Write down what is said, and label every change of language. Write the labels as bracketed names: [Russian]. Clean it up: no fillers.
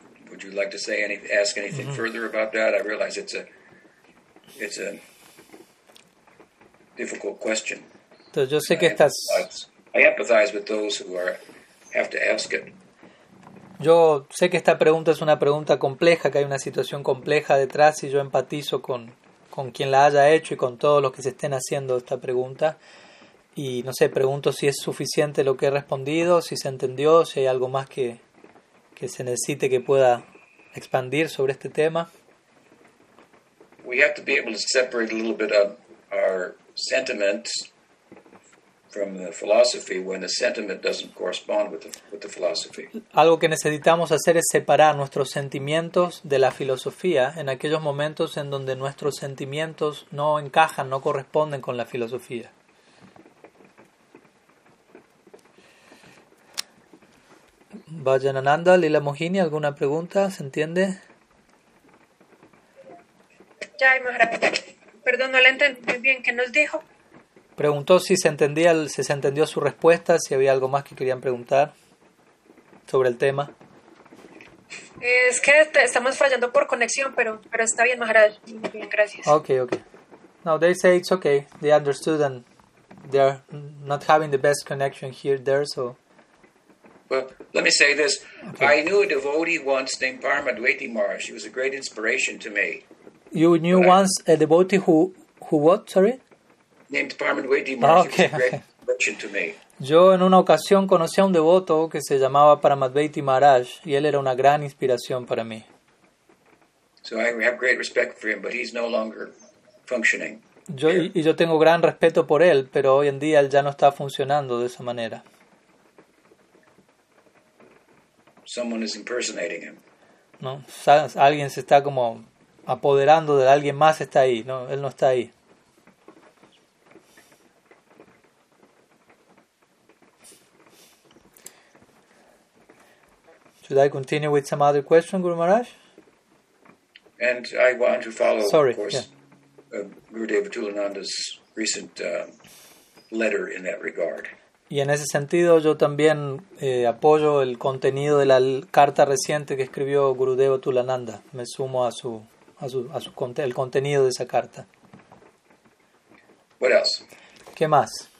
[English] Would you like to say ask anything further about that? I realize it's a difficult question. [Spanish] Entonces, yo sé que estás. [English] I empathize with those who have to ask it. [Spanish] Yo sé que esta pregunta es una pregunta compleja, que hay una situación compleja detrás y yo empatizo con quien la haya hecho y con todos los que se estén haciendo esta pregunta. Y no sé, pregunto si es suficiente lo que he respondido, si se entendió, si hay algo más que se necesite que pueda expandir sobre este tema. [English] We have to be able to separate a little bit of our sentiments from the philosophy when the sentiment doesn't correspond with the philosophy. [Spanish] Algo que necesitamos hacer es separar nuestros sentimientos de la filosofía en aquellos momentos en donde nuestros sentimientos no encajan, no corresponden con la filosofía. Vajrananda, Lila Mohini, ¿alguna pregunta? ¿Se entiende? Jai Maharaj, perdón, no la entendí bien. ¿Qué nos dijo? Preguntó si se entendía, si se entendió su respuesta, si había algo más que querían preguntar sobre el tema. Es que estamos fallando por conexión, pero está bien, Maharaj. Gracias. [English] Okay, okay. Now they say it's okay. They understood and they're not having the best connection here, there, so... Well, let me say this. Okay. I knew a devotee once named Paramadwaiti Maharaj. He was a great inspiration to me. You knew but once a devotee who what, sorry? Named Paramadwaiti Maharaj. Okay. He was a great inspiration to me. [Spanish] Yo en una ocasión conocí a un devoto que se llamaba Paramadwaiti Maharaj y él era una gran inspiración para mí. [English] So I have great respect for him, but he's no longer functioning. [Spanish] Yo tengo gran respeto por él, pero hoy en día él ya no está funcionando de esa manera. [English] Someone is impersonating him. [Spanish] No, alguien se está como apoderando de alguien más está ahí. No, él no está ahí. [English] Should I continue with some other question, Guru Maharaj? And I want to follow, Gurudeva Tulananda's recent letter in that regard. [Spanish] Y en ese sentido yo también apoyo el contenido de la carta reciente que escribió Gurudeva Tulananda. Me sumo a su el contenido de esa carta. [English] What else? [Spanish] ¿Qué más?